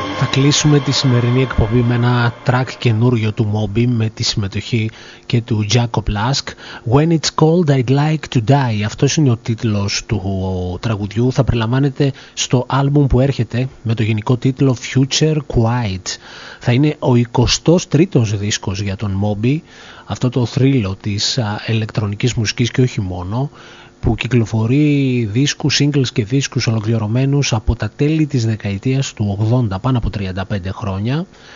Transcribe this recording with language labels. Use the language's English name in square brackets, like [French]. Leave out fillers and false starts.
[Greek] Κλείσουμε τη σημερινή εκπομπή με ένα track καινούριο του Moby, με τη συμμετοχή και του Jacob Lask. [English] When it's cold I'd like to die. [Greek] Αυτός είναι ο τίτλος του τραγουδιού. Θα περιλαμβάνεται στο άλμπουμ που έρχεται με το γενικό τίτλο Future Quiet. Θα είναι ο 23ος δίσκος για τον Moby, αυτό το θρύλο της ηλεκτρονικής μουσικής και όχι μόνο, που κυκλοφορεί δίσκους, singles και δίσκους ολοκληρωμένους από τα τέλη της δεκαετίας του 80, πάνω από 35 χρόνια.